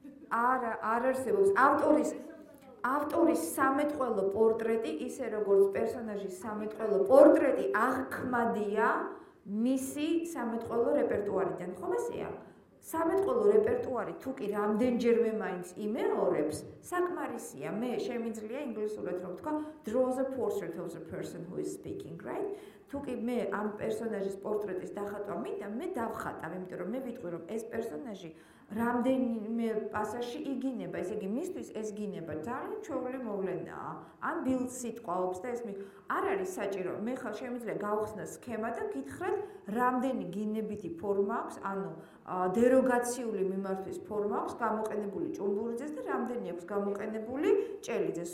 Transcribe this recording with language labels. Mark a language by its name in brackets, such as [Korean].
[Georgian] არ არსებობს ავტორის სამეთყველო პორტრეტი, ისე როგორც პერსონაჟის სამეთყველო პორტრეტი აღქმადია მისი სამეთყველო რეპერტუარიდან, ხომ ასეა? სამეთყველო რეპერტუარი თუ კი რამდენჯერმე მაინც იმეორებს, საკმარისია. მე შემიძლია ინგლისურად რომ ვთქვა, [English] draw the portrait of the person who is speaking, right? [Georgian] თუ კი მე ამ პერსონაჟის პორტრეტის დახატვა მინდა, მე დავხატავ, იმიტომ რომ მე ვიტყვი, რომ ეს პერსონაჟი რამდენიმე პასაჟში იგინება, ესე იგი მისთვის ეს გინება ძალიან ჩვეული მოვლენაა. ან ბილდს სიტყვაობს და ეს არ არის საჭირო. მე ხალ შემიძლია გავხსნა სქემა და გითხრათ, რამდენი გინებითი ფორმა აქვს, ანუ დეროგაციული მიმართვის ფორმა აქვს გამოყენებული ჭუმბურიძეს და რამდენი აქვს გამოყენებული ჭელიძეს.